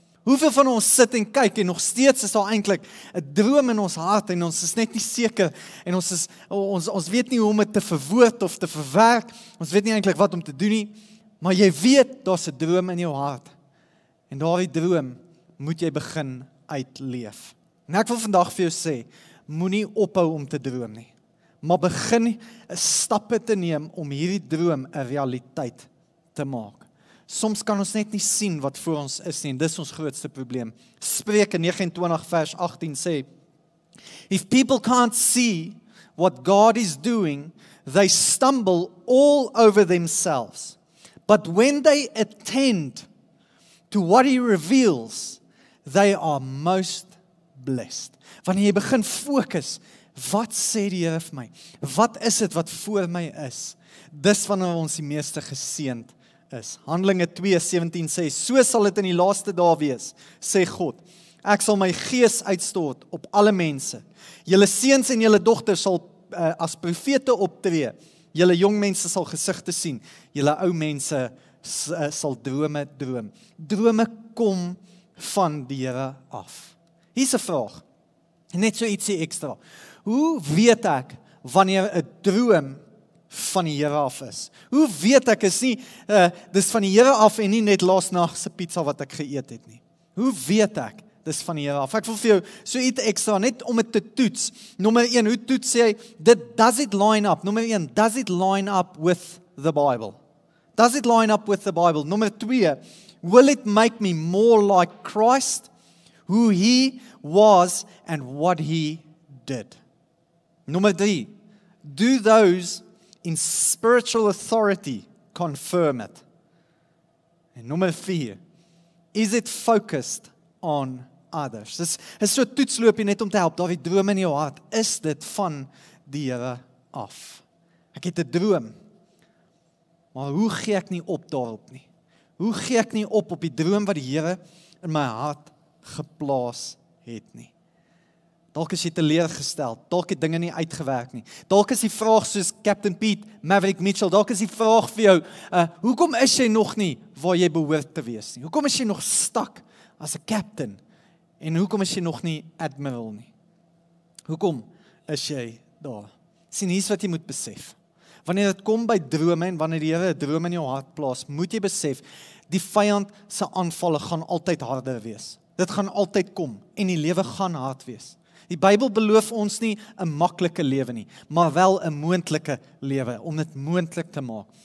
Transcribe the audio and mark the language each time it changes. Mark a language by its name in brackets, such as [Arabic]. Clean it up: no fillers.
[Afrikaans] Hoeveel van ons sit en kyk en nog steeds is daar eintlik 'n droom in ons hart en ons is net nie seker en ons weet nie hoe om dit te verwoord of te verwerk, ons weet nie eintlik wat om te doen nie, maar jy weet, daar's 'n droom in jou hart en daardie droom moet jy begin uitleef. En ek wil vandag vir jou sê, moenie ophou om te droom nie, maar begin stappe te neem om hierdie droom 'n realiteit te maak. Soms kan ons net nie sien wat voor ons is nie, en dis ons grootste probleem. Spreuke 29 vers 18 sê, [English] if people can't see what God is doing, they stumble all over themselves. But when they attend to what he reveals, they are most blessed. [Afrikaans] Wanneer jy begin fokus, wat sê die Here vir my? Wat is dit wat voor my is? Dis wanneer ons die meeste geseend is. Handelinge 2:17 sê, so sal dit in die laaste dae wees, sê God. Ek sal my gees uitstoot op alle mense. Julle seuns en julle dogters sal as profete optree. Julle jong mense sal gesigte sien. Julle ou mense sal drome droom. Drome kom van die Here af. Hier's 'n vraag. Net so ietsie ekstra. Hoe weet ek wanneer 'n droom van die Here af is? Hoe weet ek is nie dis van die Here af en nie net laas nag se pizza wat ek geëet het nie? Hoe weet ek dis van die Here af? Ek wil vir jou so iets ekstra net om dit te toets. Nommer 1, hoe toets jy dit? [English] Does it line up? [Afrikaans] Nommer 1, [English] does it line up with the Bible? Does it line up with the Bible? [Afrikaans] Nommer 2, [English] will it make me more like Christ? Who he was and what he did. [Afrikaans] Nummer 3. [English] Do those in spiritual authority confirm it? [Afrikaans] En nummer 4. [English] Is it focused on others? [Afrikaans] Dis is so 'n toetsloopie net om te help. Daardie droom in jou hart, is dit van die Here af? Ek het 'n droom. Maar hoe gee ek nie op daarop nie? Hoe gee ek nie op die droom wat die Here in my hart geplaas het nie. Dalk is jy teleurgestel, dalk het dinge nie uitgewerk nie. Dalk is die vraag soos Captain Pete, Maverick Mitchell, dalk is die vraag vir jou, hoekom is jy nog nie waar jy behoort te wees nie? Hoekom is jy nog stak as 'n captain? En hoekom is jy nog nie admiral nie? Hoekom is jy daar? Sien, hier is wat jy moet besef. Wanneer dit kom by drome en wanneer die Here 'n droom in jou hart plaas, moet jy besef, die vyand se aanvalle gaan altyd harder wees. Dit gaan altyd kom en die lewe gaan hard wees. Die Bybel beloof ons nie 'n maklike lewe nie, maar wel 'n moontlike lewe om dit moontlik te maak.